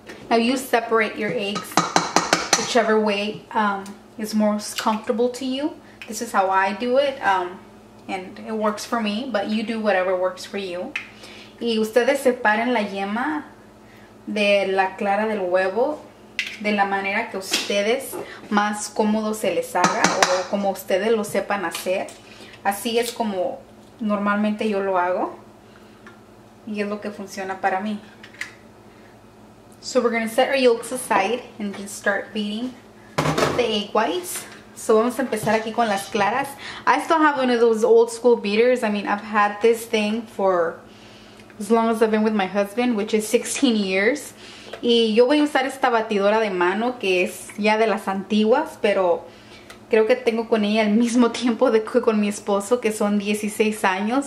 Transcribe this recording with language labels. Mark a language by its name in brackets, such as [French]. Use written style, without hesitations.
[English] Now you separate your eggs whichever way is most comfortable to you. This is how I do it, and it works for me, but you do whatever works for you. [Spanish] Y ustedes separen la yema de la clara del huevo de la manera que ustedes más cómodo se les haga, o como ustedes lo sepan hacer. Así es como normalmente yo lo hago, y es lo que funciona para mí. [English] So we're going to set our yolks aside and just start beating the egg whites. So [Spanish] vamos a empezar aquí con las claras. [English] I still have one of those old school beaters. I mean, I've had this thing for as long as I've been with my husband, which is 16 years. [Spanish] Y yo voy a usar esta batidora de mano que es ya de las antiguas, pero creo que tengo con ella el mismo tiempo de que con mi esposo, que son 16 años.